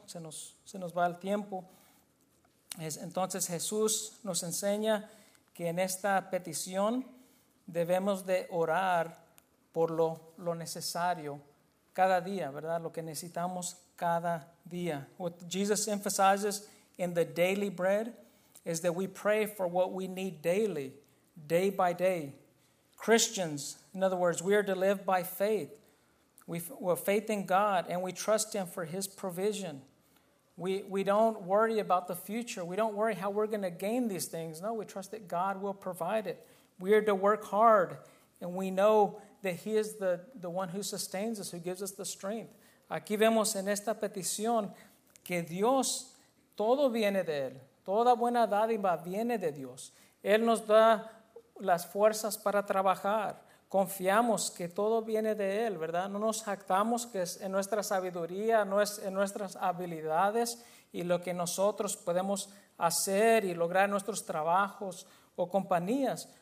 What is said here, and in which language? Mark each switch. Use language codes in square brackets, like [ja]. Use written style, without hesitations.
[es] Se nos va el tiempo. Entonces Jesús nos enseña que en esta petición debemos de orar por lo necesario cada día, ¿verdad? Lo que necesitamos cada día. [en] What Jesus emphasizes in the daily bread is that we pray for what we need daily, day by day. Christians, in other words, we are to live by faith. We have faith in God and we trust Him for His provision. We don't worry about the future. We don't worry how we're going to gain these things. No, we trust that God will provide it. We are to work hard and we know that He is the one who sustains us, who gives us the strength. [es] Aquí vemos en esta petición que Dios, todo viene de Él. Toda buena dádiva viene de Dios. Él nos da las fuerzas para trabajar. Confiamos que todo viene de Él, ¿verdad? No nos jactamos que es en nuestra sabiduría, no es en nuestras habilidades y lo que nosotros podemos hacer y lograr nuestros trabajos o compañías.